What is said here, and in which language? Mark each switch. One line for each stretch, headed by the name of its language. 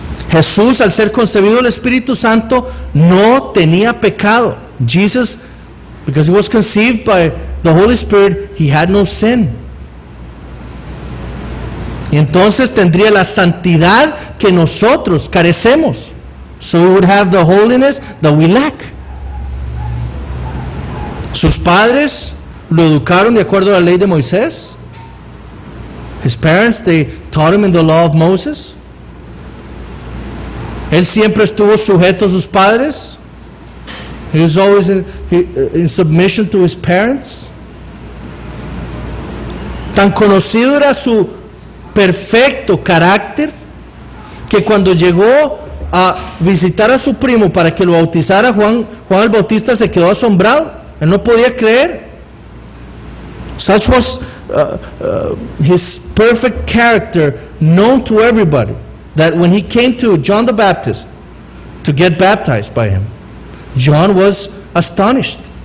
Spanish: Jesús, al ser concebido del Espíritu Santo, no tenía pecado.
English: Jesus, because he was conceived by the Holy Spirit, he had no sin.
Spanish: Y entonces tendría la santidad que nosotros carecemos.
English: So he would have the holiness that we lack.
Spanish: Sus padres lo educaron de acuerdo a la ley de Moisés.
English: His parents, they taught him in the law of Moses.
Spanish: Él siempre estuvo sujeto a sus padres.
English: He was always in submission to his parents.
Spanish: Tan conocido era su perfecto carácter que cuando llegó a visitar a su primo para que lo bautizara, Juan el Bautista se quedó asombrado. Él no podía creer.
English: Such was his perfect character, known to everybody, that when he came to John the Baptist to get baptized by him, John was astonished.